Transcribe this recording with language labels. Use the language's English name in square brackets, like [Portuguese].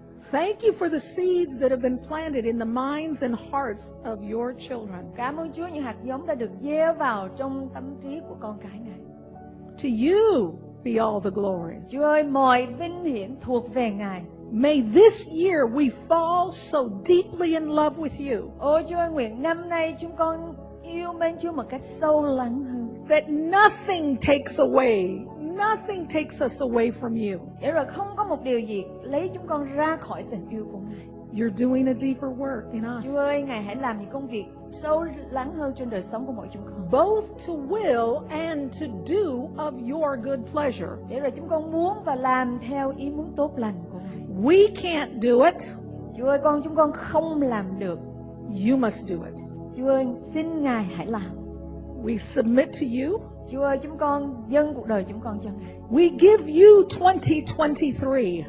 [English] Thank you for the seeds that have been planted in the minds and hearts of your children. [Vietnamese] Cảm ơn Chúa những hạt giống đã được gieo vào trong tâm trí của con cái Ngài. [English] To you be all the glory. [Vietnamese] Chúa ơi, mọi vinh hiển thuộc về Ngài. [English] May this year we fall so deeply in love with you. [Vietnamese] Ôi Chúa, nguyện năm nay chúng con yêu mến Chúa một cách sâu lắng hơn. [English] That nothing takes us away from you. [Vietnamese] Để rồi không có một điều gì lấy chúng con ra khỏi tình yêu của Ngài. [English] You're doing a deeper work in us. [Vietnamese] Chúa ơi, Ngài hãy làm những công việc sâu lắng hơn trên đời sống của mỗi chúng con. [English] Both to will and to do of your good pleasure. [Vietnamese] Để rồi chúng con muốn và làm theo ý muốn tốt lành. [English] We can't do it. [Vietnamese] Chúa ơi, chúng con không làm được. [English] You must do it. [Vietnamese] Chúa ơi, xin Ngài hãy làm. [English] We submit to you. [Vietnamese] Chúa ơi, chúng con dâng cuộc đời chúng con cho Ngài. [English] We give you 2023.